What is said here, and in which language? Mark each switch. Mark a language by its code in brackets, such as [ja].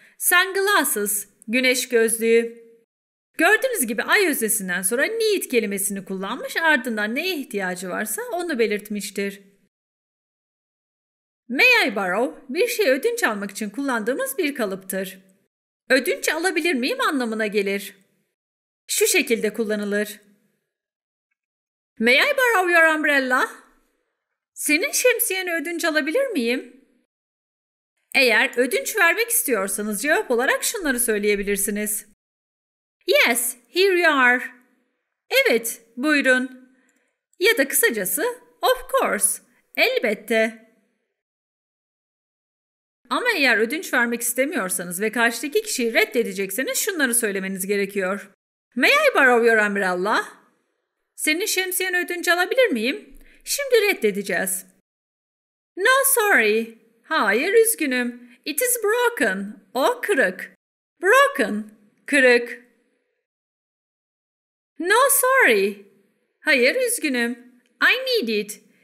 [en] Sunglasses, [tr] güneş gözlüğü. Gördüğünüz gibi I öznesinden sonra need kelimesini kullanmış, ardından neye ihtiyacı varsa onu belirtmiştir. [en] May I borrow, [tr] bir şeyi ödünç almak için kullandığımız bir kalıptır. Ödünç alabilir miyim anlamına gelir. Şu şekilde kullanılır. [en] May I borrow your umbrella? [tr] Senin şemsiyeni ödünç alabilir miyim? Eğer ödünç vermek istiyorsanız cevap olarak şunları söyleyebilirsiniz. [en] Yes, here you are. [tr] Evet, buyurun. Ya da kısacası, [en] of course, [tr] elbette. Ama eğer ödünç vermek istemiyorsanız ve karşıdaki kişiyi reddedecekseniz şunları söylemeniz gerekiyor. [en] May I borrow your umbrella? [tr] Senin şemsiyeni ödünç alabilir miyim? Şimdi reddedeceğiz. [en] No, sorry. [tr] Hayır, üzgünüm. [en] It is broken. [tr] O kırık. [en] Broken. [tr] Kırık. [en] No, sorry. [tr] Hayır, üzgünüm. [en] I need it.